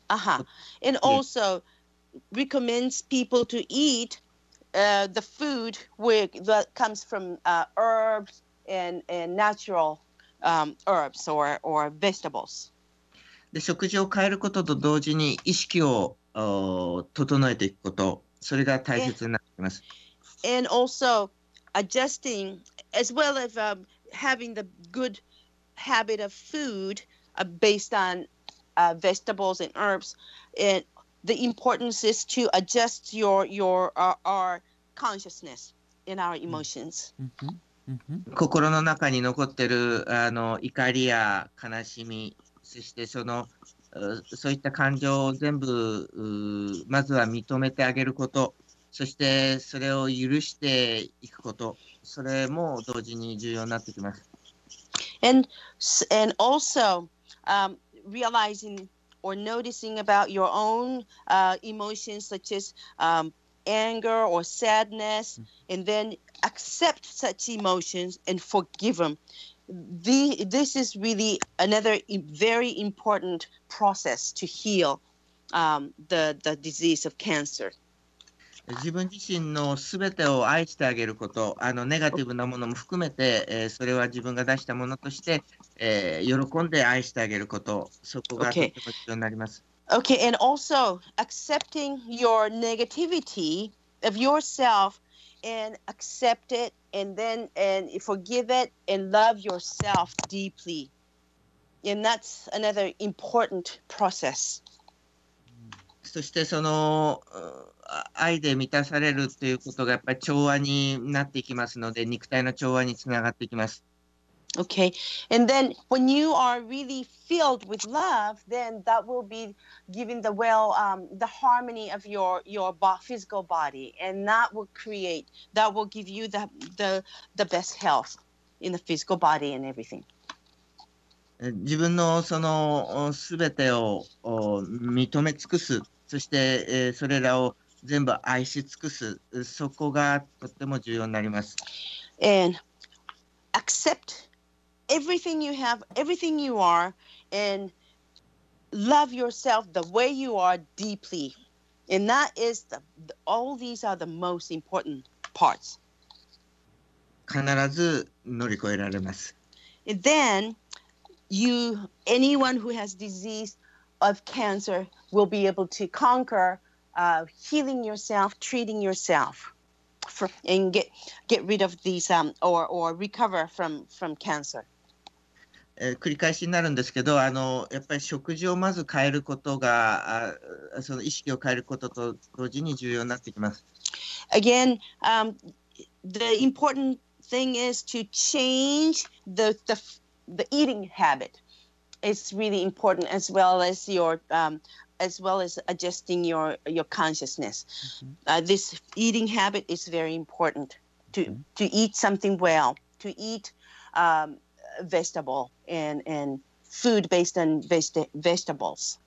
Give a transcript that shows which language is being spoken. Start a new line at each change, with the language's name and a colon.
English: And also recommends people to eat the food that comes from herbs and natural herbs or vegetables.
Japanese: で食事を変えることと同時に意識を整えていくこと、それが大切になってきます。
English: And also adjusting as well as having the goodhabit of food based on vegetables and herbs, and the importance is to adjust your our consciousness and our emotions.
Japanese: 心の中に残ってる怒りや悲しみ、そしてそういった感情を全部まずは認めてあげること、そしてそれを許していくこと、それも同時に重要になってきます。
English: And also realizing or noticing about your own emotions such as anger or sadness, and then accept such emotions and forgive them. This is really another very important process to heal the disease of cancer.
Japanese: 自分自身のすべてを愛してあげること、ネガティブなものも含めて、それは自分が出したものとして、喜んで愛してあげること、そこがとても必要になります。
English: Okay, and also accepting your negativity of yourself and accept it and then and forgive it and love yourself deeply. And that's another important process.
Japanese: そしてその愛で満たされるということがやっぱり調和になっていきますので、肉体の調和につながっていきます。
English: Okay. And then when you are really filled with love, then that will be giving the well, the harmony of your physical body. And that will create, that will give you the best health in the physical body and everything.
Japanese: 自分のそのすべてを認め尽くす。そして、それらを全部愛し尽くす、そこがとっても重要になります。
English: And accept everything you have, everything you are, and love yourself the way you are deeply. And that is all these are the most important parts.
Japanese: 必ず乗り越えられます。
English: then you, anyone who has disease of cancer will be able to conquer healing yourself, treating yourself, for, and get rid of these or recover from cancer.
Japanese: 繰り返しになるんですけど、あのやっぱり食事をまず変えることが、その意識を変えることと同時に重要になってきます。
English: Again, the important thing is to change the eating habit. It's really important as well as your, as well as adjusting your consciousness. This eating habit is very important to eat something well, to eat, vegetable and food based on vegetables.